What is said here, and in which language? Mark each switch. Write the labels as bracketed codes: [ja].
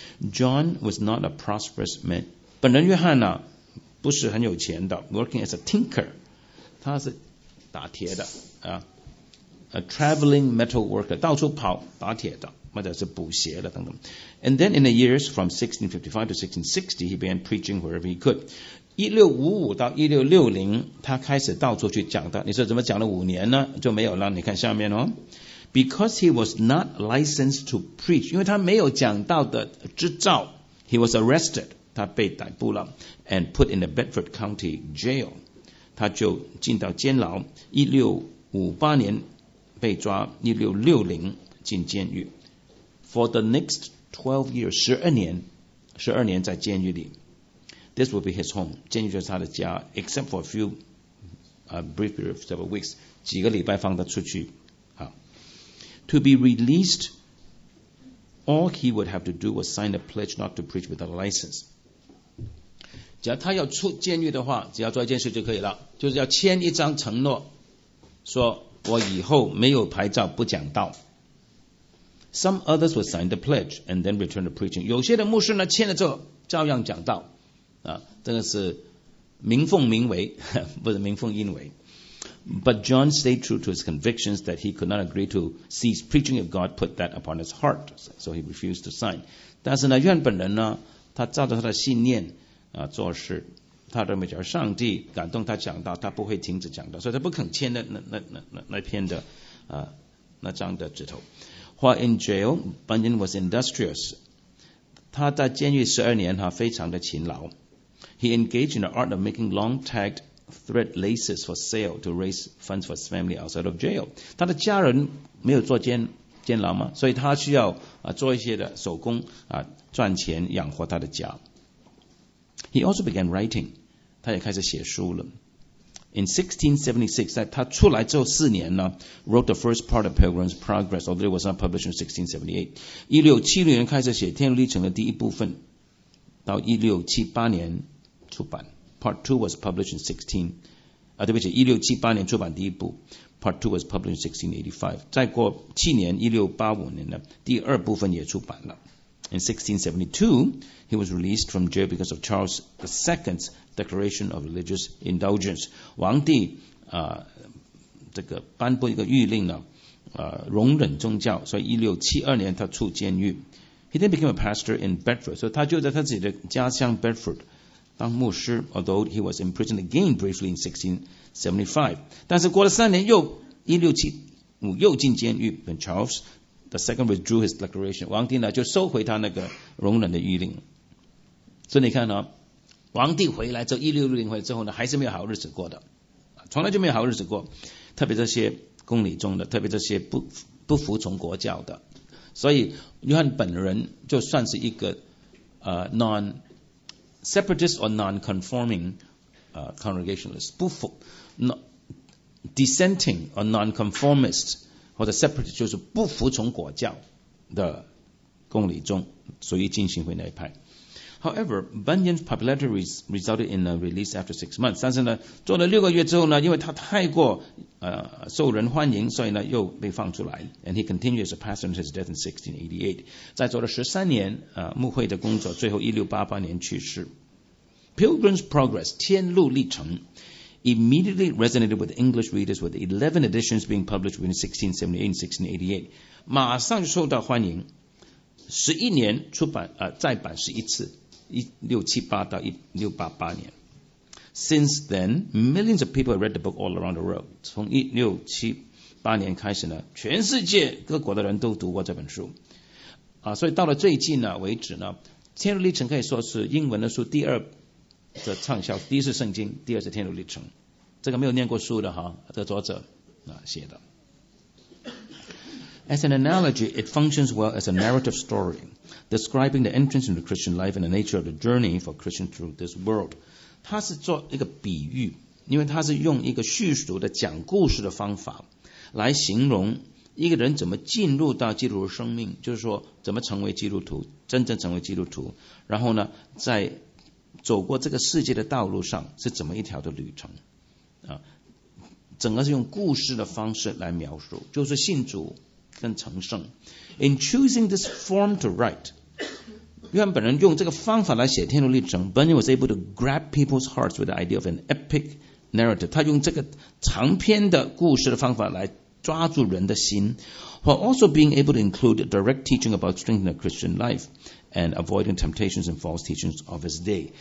[en] John was not a prosperous man， [zh] 本人约翰呢不是很有钱的， [en] working as a tinker， [zh] 他是打铁的啊， [en] a traveling metal worker， [zh] 到处跑打铁的或者是补鞋的等等。 [en] And then in the years from 1655 to 1660 he began preaching wherever he could， [zh] 1655到1660他开始到处去讲的。你说怎么讲了五年呢就没有了，你看下面哦。 [en] Because he was not licensed to preach， [zh] 因为他没有讲道的执照， [en] he was arrested， [zh] 他被逮捕了， [en] and put in the Bedford County Jail， [zh] 他就进到监牢，1658年被抓，1660进监狱。 [en] For the next 12 years， [zh] 12年在监狱里， [en] This will be his home， [zh] 监狱就是他的家， [en] except for a few brief period of several weeks， [zh] 几个礼拜放他出去。 [en] To be released, all he would have to do was sign a pledge not to preach without a license. [zh] 只要他要出监狱的话，只要做一件事就可以了，就是要签一张承诺，说我以后没有牌照不讲道。 [en] Some others would sign the pledge and then return to preaching. [zh] 有些的牧师呢，签了之后照样讲道，这个是名奉名为，不是名奉因为。 [en] But John stayed true to his convictions that he could not agree to cease preaching if God put that upon his heart. So he refused to sign. [zh] 但是呢，约翰本人呢，他照着他的信念啊做事，他认为只要上帝感动他讲道，他不会停止讲道，所以他不肯签的那篇的那张的纸头。 [en] While in jail, Bunyan was industrious. [zh] 他在监狱十二年哈，非常的勤劳。 [en] He engaged in the art of making long tagged thread laces for sale to raise funds for his family outside of jail. [zh] 他的家人没有坐监牢嘛，所以他需要做一些的手工赚钱养活他的家。 [en] He also began writing. [zh] 他也开始写书了。 [en] In 1676, [zh] 在他出来之后四年呢， [en] wrote the first part of Pilgrim's Progress, although it was not published in 1678. [zh] 1670年开始写天路历程的第一部分，到1678年出版。 [en] Part 2 was published in [zh] 1678年出版第一部。 [en] Part 2 was published in 1685. [zh] 再过七年1685年呢，第二部分也出版了。 [en] In 1672, he was released from jail because of Charles II's Declaration of Religious Indulgence. [zh] 王帝这个颁布一个谕令呢，容忍宗教，所以1672年他出监狱。 [en] He then became a pastor in Bedford. [zh] 所以他就在他自己的家乡 Bedford当牧师， [en] although he was imprisoned again briefly in 1675. [zh] 但是过了三年又1675又进监狱， [en] when Charles II withdrew his declaration. [zh] 王帝呢就收回他那个容忍的谕令。所以你看王帝回来之后1660回来之后呢还是没有好日子过的。从来就没有好日子过。特别这些公理中的，特别这些 不服从国教的。所以约翰本人就算是一个 [en] non-separatist or non-conforming congregationalist， [zh] 不服 [en] dissenting or non-conformist [zh] 或者 separatist， 就是不服从国教的公理中，属于进行会那一派。 [en] However, Bunyan's popularity resulted in a release after 6 months. [zh] 但是呢做了六个月之后呢，因为他太过受人欢迎，所以呢又被放出来。 [en] And he continued as a pastor until his death in 1688. [zh] 在做了13年牧会的工作，最后1688年去世。 [en] Pilgrim's Progress 天路历程 immediately resonated with English readers, with 11 editions being published between 1678 and 1688. [zh] 马上就受到欢迎，11年出版再版11次，1678到1688年。 [en] Since then, millions of people have read the book all around the world. [zh] 从1678年开始呢，全世界各国的人都读过这本书。所以到了最近为止呢，天路历程可以说是英文的书第二的畅销，第一是圣经，第二是天路历程。这个没有念过书的哈，这个作者写的。 [en] As an analogy, it functions well as a narrative story, describing the entrance into Christian life and the nature of the journey for Christians through this world. [zh] 它是做一个比喻，因为他是用一个叙述的讲故事的方法来形容一个人怎么进入到基督徒生命，就是说怎么成为基督徒，真正成为基督徒，然后呢在走过这个世界的道路上是怎么一条的旅程啊，整个是用故事的方式来描述，就是信主跟成圣。 [en] In choosing this form to write, [zh] 约翰本人用这个方法来写天路历程， [en] Bunyan was able to grab people's hearts with the idea of an epic narrative. [zh] 他用这个长篇的故事的方法来抓住人的心， [en] while also being able to include direct teaching about strengthening the Christian life and avoiding temptations and false teachings of his day.